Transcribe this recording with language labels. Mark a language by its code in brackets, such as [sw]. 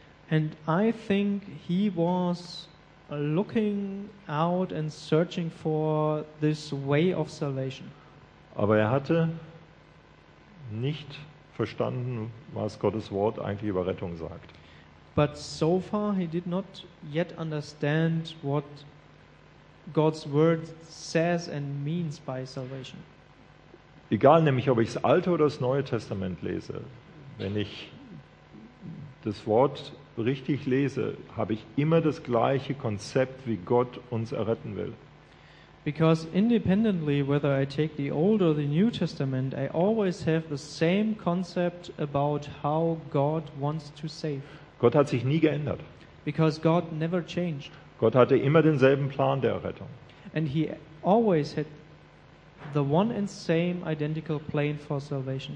[en] And I think he was looking out and searching for this way of salvation. [de] Aber er hatte nicht verstanden, was Gottes Wort eigentlich über Rettung sagt. [en] But so far he did not yet understand what God's word says and means by salvation. [de] Egal nämlich, ob ich das Alte oder das Neue Testament lese, wenn ich das Wort richtig lese, habe ich immer das gleiche Konzept, wie Gott uns erretten will. [en] Because independently whether I take the Old or the New Testament, I always have the same concept about how God wants to save. [de] Gott hat sich nie geändert. [en] Because God never changed. [de] Gott hatte immer denselben Plan der Errettung. [en] And he always had the one and same identical plan for salvation.